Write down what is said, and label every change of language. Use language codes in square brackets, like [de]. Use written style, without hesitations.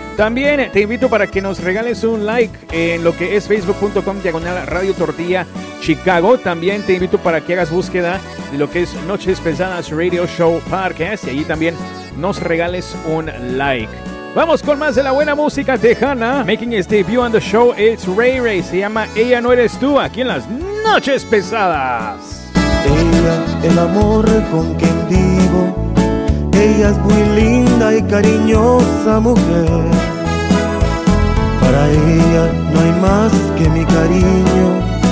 [es] También te invito para que nos regales un like en lo que es facebook.com/Radio Tortilla Chicago. También te invito para que hagas búsqueda de lo que es Noches Pesadas Radio Show Podcast y allí también nos regales un like. Vamos con más de la buena música tejana. [en] Making his debut on the show, it's Ray Ray. [es] Se llama Ella No Eres Tú, aquí en las Noches Pesadas. Ella, el amor con quien vivo. Ella es muy linda y cariñosa mujer. Para ella no hay más que mi cariño.